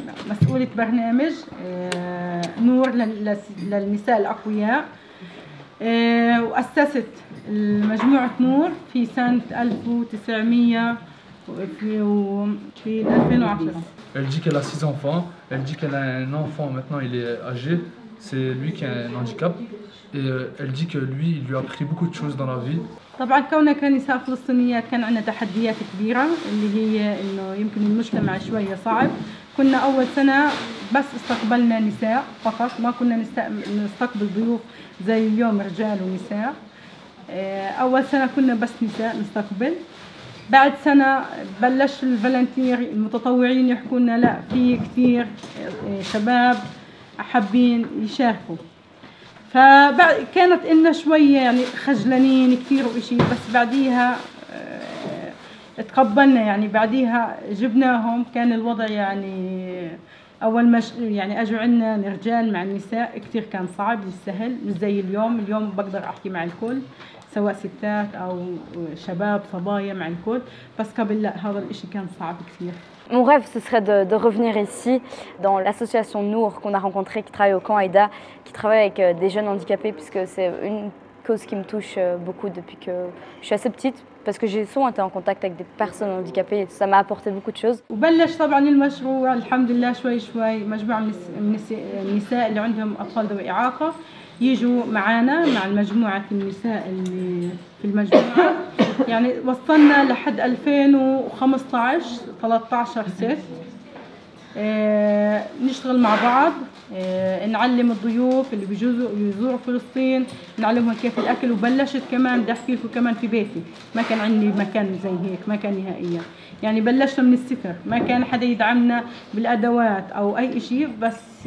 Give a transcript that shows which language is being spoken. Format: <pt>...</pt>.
<ar>مسؤولة برنامج نور للنساء الاقوياء وأسست المجموعة نور في سنة 1910.</ar> <fr>Elle dit qu'elle a 6 enfants. Elle dit qu'elle a un enfant maintenant, il est âgé. C'est lui qui a un handicap. Et elle dit que lui, il lui a appris beaucoup de choses dans la vie.</fr> <ar>طبعا كونك نساء فلسطينيات كان عندنا تحديات كبيرة اللي هي إنه يمكن المجتمع شوية صعب. كنا أول سنة بس استقبلنا نساء فقط ما كنا نستقبل ضيوف زي اليوم رجال ونساء أول سنة كنا بس نساء نستقبل بعد سنة بلش الفالنتير المتطوعين يحكونا لا في كثير شباب حابين يشاركوا فكانت إنا شوية يعني خجلانين كثير وإشي بس بعديها تقبلنا يعني بعديها جبناهم كان الوضع يعني أول ما يعني أجوا عندنا رجال مع النساء كثير كان صعب مش سهل مش زي اليوم اليوم بقدر أحكي مع الكل سواء ستات أو شباب صبايا مع الكل بس قبل لا هذا الإشي كان صعب كثير.</ar> <fr>Mon rêve, ce serait de revenir ici, dans l'association Nour qu'on a rencontrée, qui travaille au camp Aïda, qui travaille avec des jeunes handicapés, puisque c'est une cause qui me touche beaucoup depuis que je suis assez petite, parce que j'ai souvent été en contact avec des personnes handicapées, et ça m'a apporté beaucoup de choses. Et j'ai commencé le projet, alhamdoulilah, un peu, un groupe de femmes qui ont des enfants avec des handicapés, qui viennent avec nous, avec le groupe de femmes.</fr> <ar>يعني وصلنا لحد 2015-13 سنة نشتغل مع بعض نعلم الضيوف اللي بيجوزوا يزوروا فلسطين نعلمهم كيف الأكل وبلشت كمان بدي أحكي لكم كمان في بيتي ما كان عندي مكان زي هيك ما كان نهائيا يعني بلشنا من الصفر ما كان حدا يدعمنا بالأدوات أو أي شيء بس</ar>